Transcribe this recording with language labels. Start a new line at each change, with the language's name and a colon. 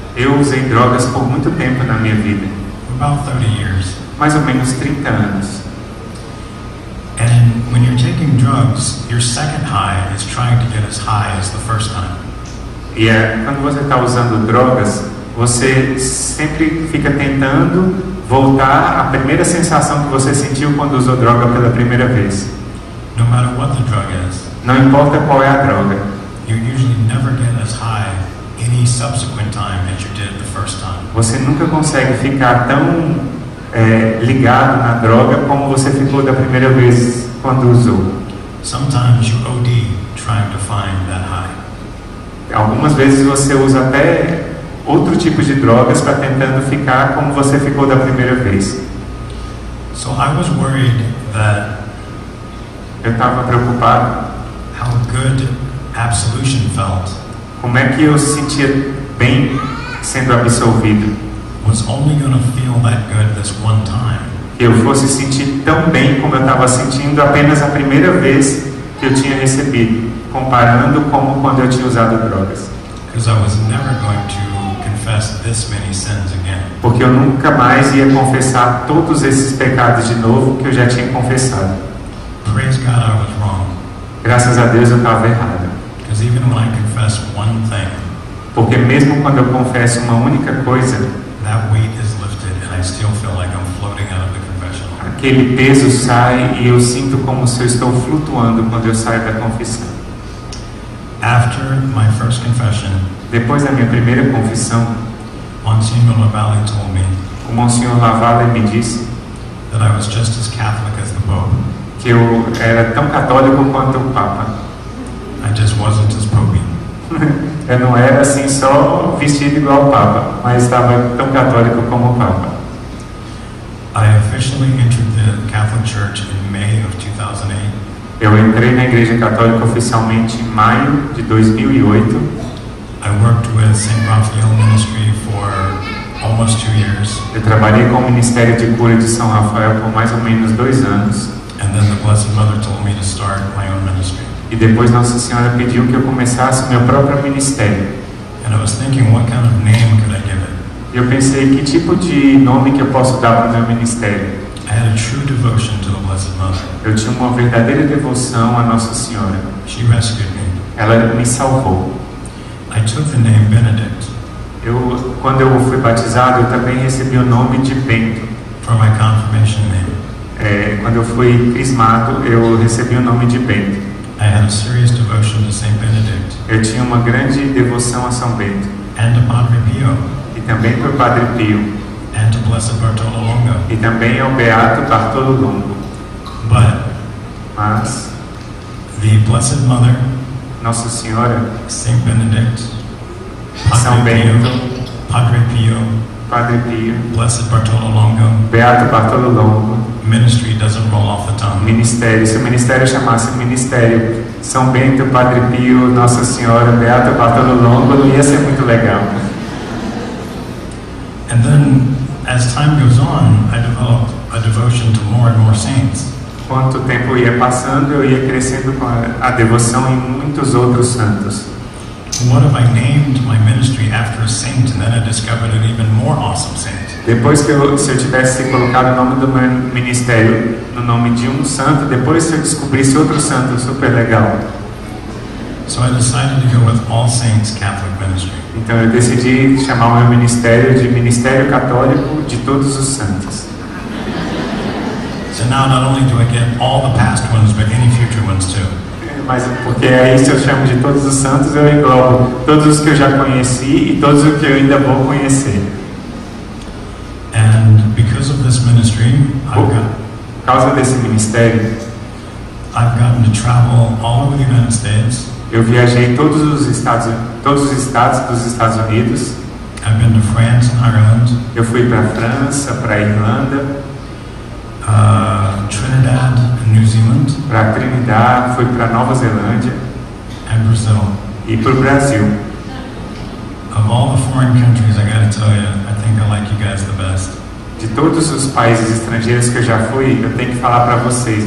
Portuguese: Eu usei drogas por muito tempo na minha vida.
English: About 30 years.
Portuguese: Mais ou menos 30 anos.
English: And when you're taking drugs, your second high is trying to get as high as the first time.
Portuguese: Yeah, quando você está usando drogas, você sempre fica tentando voltar à primeira sensação que você sentiu quando usou droga pela primeira vez.
English: No matter what the drug is.
Portuguese: Não importa qual é a droga.
English: You usually never get as high any subsequent time as you did the first time.
Portuguese: Você nunca consegue ficar tão ligado na droga como você ficou da primeira vez quando usou.
English: Sometimes you OD trying to find that high.
Portuguese: Algumas vezes você usa até outro tipo de drogas para tentando ficar como você ficou da primeira vez.
English: So I was worried that
Portuguese: eu estava preocupado
English: how good absolution felt.
Portuguese: Como é que eu sentia bem sendo absolvido?
English: Was only gonna feel that good this one time.
Portuguese: Eu fosse sentir tão bem como eu estava sentindo apenas a primeira vez que eu tinha recebido, comparando como quando eu tinha usado drogas.
English: Because I was never going to confess this many sins again.
Portuguese: Porque eu nunca mais ia confessar todos esses pecados de novo que eu já tinha confessado.
English: Praise God, I was wrong.
Portuguese: Graças a Deus eu estava errado.
English: Because even when I confess one thing,
Portuguese: porque mesmo quando eu confesso uma única coisa,
English: that weight is lifted and I still feel like I'm floating out of the confessional.
Portuguese: Aquele peso sai e eu sinto como se eu estou flutuando quando eu saio da confissão.
English: After my first confession,
Portuguese: depois da minha primeira confissão,
English: Monsignor Lavalle told me,
Portuguese: o Monsignor Lavalle me disse,
English: that I was just as Catholic as the Pope.
Portuguese: Que eu era tão católico quanto o Papa.
English: I just wasn't as Popey.
Portuguese: Eu não era assim só vestido igual ao Papa, mas estava tão católico como o Papa.
English: I officially entered the Catholic Church in May of 2008.
Portuguese: Eu entrei na Igreja Católica oficialmente em maio de 2008.
English: I worked with St. Raphael Ministry for almost 2 years.
Portuguese: Eu trabalhei com o Ministério de Cura de São Rafael por mais ou menos 2 anos.
English: And then the Blessed Mother told me to start my own ministry.
Portuguese: E depois Nossa Senhora pediu que eu começasse o meu próprio ministério.
English: And I was thinking, what kind of name could I give it?
Portuguese: Eu pensei, que tipo de nome que eu posso dar para o meu ministério?
English: I had a true devotion to the Blessed Mother.
Portuguese: Eu tinha uma verdadeira devoção à Nossa Senhora.
English: She rescued me.
Portuguese: Ela me salvou.
English: I took the name Benedict.
Portuguese: Quando eu fui batizado, eu também recebi o nome de Bento.
English: For my confirmation name.
Portuguese: Quando eu fui crismado, eu recebi o nome de Bento.
English: I had a serious devotion to Saint Benedict.
Portuguese: Eu tinha uma grande devoção a São Bento.
English: And to Padre Pio.
Portuguese: E também para o Padre Pio.
English: And to Blessed Bartolo Longo.
Portuguese: E também ao Beato Bartolo Longo.
English: But,
Portuguese: mas,
English: the Blessed Mother,
Portuguese: Nossa Senhora,
English: Saint Benedict,
Portuguese: Padre São Bento,
English: Pio, Padre Pio,
Portuguese: Padre Pio,
English: Blessed Bartolo Longo,
Portuguese: Beato Bartolo Longo.
English: Ministry doesn't roll off the tongue.
Portuguese: Ministério, se o ministério chamasse ministério São Bento, Padre Pio, Nossa Senhora, Beato Bartolo Longo, não ia ser muito legal.
English: And then, as time goes on, I developed a devotion to more and more saints.
Portuguese: Quanto tempo ia passando, eu ia crescendo com a devoção em muitos outros santos.
English: What have I named my ministry after a saint, and then I discovered an even more awesome saint.
Portuguese: Depois que se eu tivesse colocado o nome do meu ministério no nome de um santo, depois se eu descobrisse outro santo super legal.
English: So I decided to go with All Saints Catholic Ministry.
Portuguese: Então eu decidi chamar o meu ministério de Ministério Católico de Todos os Santos.
English: So now not only do I get all the past ones, but any future ones too.
Portuguese: Mas porque aí se eu chamo de todos os santos, eu englobo todos os que eu já conheci e todos os que eu ainda vou conhecer.
English: And because of this ministry,
Portuguese: por causa desse ministério,
English: I've gotten to travel all over the United States.
Portuguese: Eu viajei todos os estados dos Estados Unidos.
English: I've been to France and Ireland.
Portuguese: Eu fui para a França, para a Irlanda,
English: Trinidad and New Zealand,
Portuguese: para Trinidad, fui para Nova Zelândia,
English: and Brazil,
Portuguese: e para o Brasil.
English: Of all the foreign countries, I gotta tell you, I think I like you guys the best.
Portuguese: De todos os países estrangeiros que eu já fui, eu tenho que falar para vocês.